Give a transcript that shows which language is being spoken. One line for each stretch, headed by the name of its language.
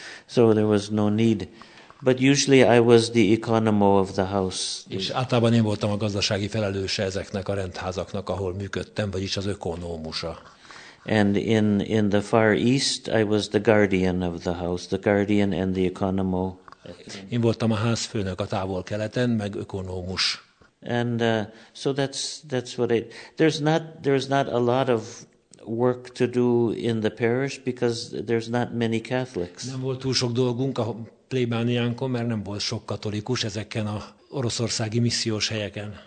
English: So there was no need. But usually I was the economo of the house.
Hungarian: És általában én voltam a gazdasági felelőse ezeknek a rendházaknak, ahol működtem, vagyis az ökonómusa.
English: And in the far east I was the guardian of the house, the guardian and the economo.
Hungarian: Én voltam a házfőnök a távol keleten, meg ökonómus.
English: And so that's what it. There's not a lot of work to do in the parish because there's not many Catholics.
Hungarian: Nem volt túl sok dolgunk a plébániánkon, mert nem volt sok katolikus ezeken a oroszországi missziós helyeken.